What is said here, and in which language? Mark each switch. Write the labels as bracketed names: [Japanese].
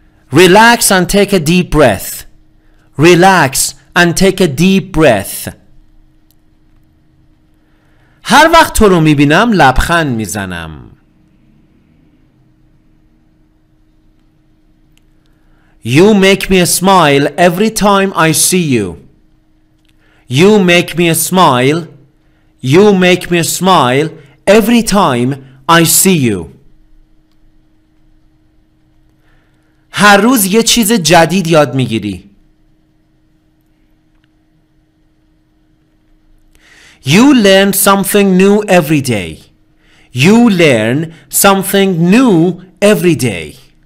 [English] Relax and take a deep breath. Relax and take a deep breath. [Persian] هر وقت تو رو میبینم لبخند میزنم. [English] You make me smile every time I see you. You make me smile. You make me smile every time I see you. [Persian] هر روز یه چیز جدید یاد میگیری. [English] You learn something new every day. You learn something new every day.